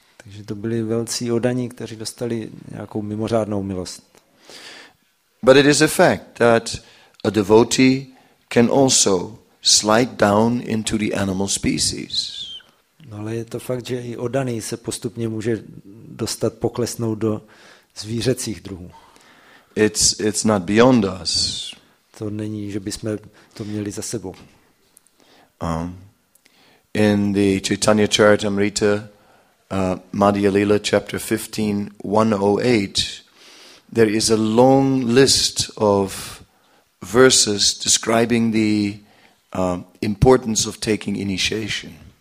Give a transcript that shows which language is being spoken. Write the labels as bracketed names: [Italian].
[Czech] Takže to byli velcí oddaní, kteří dostali nějakou mimořádnou milost. [English] But it is a fact that a devotee can also slide down into the animal species. [Czech] No ale je to fakt, že i oddaný se postupně může dostat poklesnout do zvířecích druhů. [English] It's not beyond us. [Czech] To není, že bychom to měli za sebou. [English] In the Chaitanya Charitamrita, Madhya Lila, chapter 15:108, there is a long list of verses describing the importance of taking initiation.